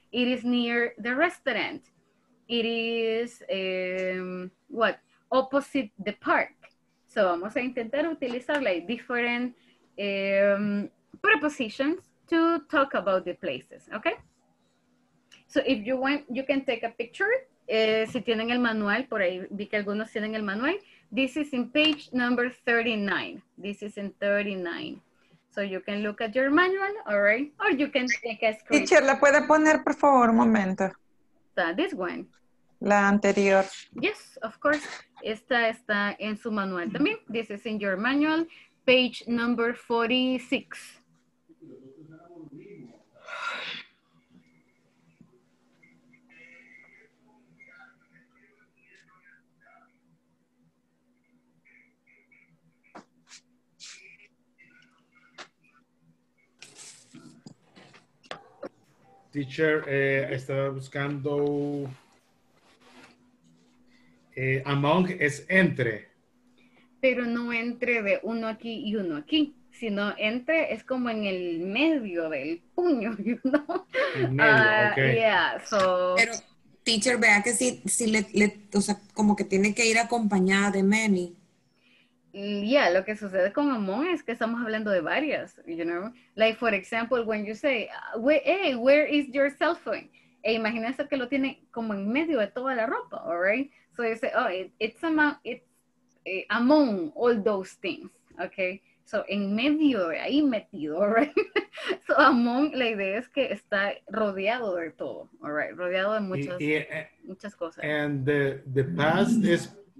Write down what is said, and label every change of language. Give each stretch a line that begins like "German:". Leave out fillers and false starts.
English: It is near the restaurant. It is, what? Opposite the park. So,
Spanish: vamos a intentar utilizar
English: like different prepositions to talk about the places, okay? So, if you want, you can take a picture.
Spanish: Si tienen el manual, por ahí vi que algunos tienen el manual.
English: This is in page number 39. This is in 39. So you can look at your manual, all right? Or you can take a screen.
Spanish: Teacher, ¿la puede poner, por favor, un momento?
English: This one.
Spanish: La anterior.
English: Yes, of course.
Spanish: Esta está en su manual también.
English: This is in your manual, page number 46.
Spanish: Teacher, estaba buscando, among es entre. Pero no entre de uno aquí y uno aquí, sino entre es como en el medio del puño,
English: you know?
Spanish: En medio, okay.
English: Yeah, so.
Spanish: Pero, teacher, vea que si le, o sea, como que tiene que ir acompañada de many. Yeah, lo que sucede con among es que estamos hablando de varias,
English: you know. Like, for example, when you say, hey, where is your cell phone?
Spanish: E imagínense que lo tiene como en medio de toda la ropa,
English: all right? So you say, oh, it's among all those things, okay?
Spanish: So en medio, ahí metido,
English: all right?
Spanish: So among, la idea es que está rodeado de todo, all right? Rodeado de muchas, muchas cosas.
English: And the past is...